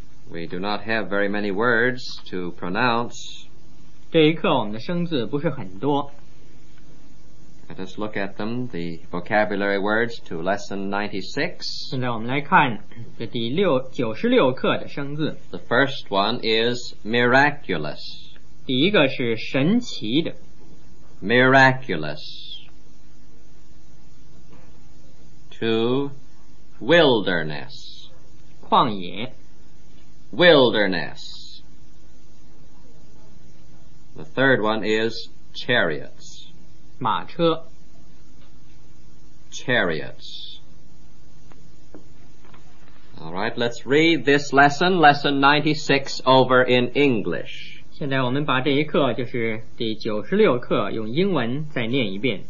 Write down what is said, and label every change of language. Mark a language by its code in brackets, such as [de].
[en] we do not have very many words to pronounce [zh] 这一刻我们的生字不是很多 [en] let us look at them the vocabulary words to lesson 96 [zh] 现在我们来看这第96课的生字 [en] the first one is miraculous [zh] 第一个是神奇的 [en] Miraculous To Wilderness [zh] 旷野 [en] Wilderness The third one is Chariots [zh] 马车 [en] Chariots Alright, let's read this lesson 96 over in English [zh] 现在我们把这一课就是第96课用英文再念一遍。